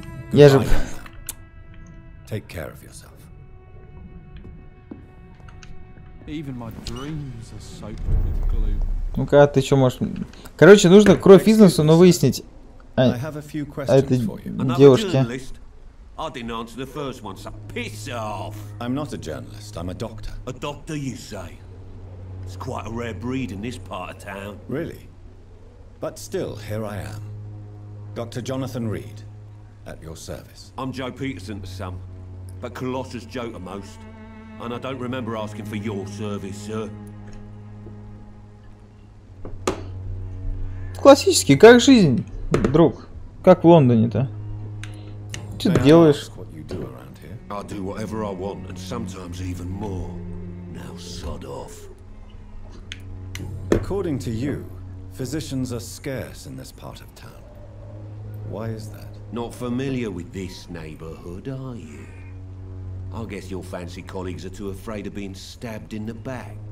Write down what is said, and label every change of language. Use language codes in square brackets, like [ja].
[ru] Я же... [en] Take care of yourself. [ru] Ну-ка, ты что можешь... Короче, нужно кровь из носу, но выяснить. А это девушке. [en] I didn't answer the first one, so piss off! I'm not a journalist, I'm a doctor. A doctor, you say? It's quite a rare breed in this part of town. Really? But still, here I am. Dr. Jonathan Reed, at your service. I'm Joe Peterson to some, but Colossus Joe to most. And I don't remember asking for your service, sir. [ru] Классический, как жизнь, друг? Как в Лондоне-то? Что ты делаешь? [en] I do whatever I want, and sometimes even more. Now sod off. According to you, physicians are scarce in this part of town. Why is that? Not familiar with this neighborhood, are you? I guess your fancy colleagues are too afraid of being stabbed in the back.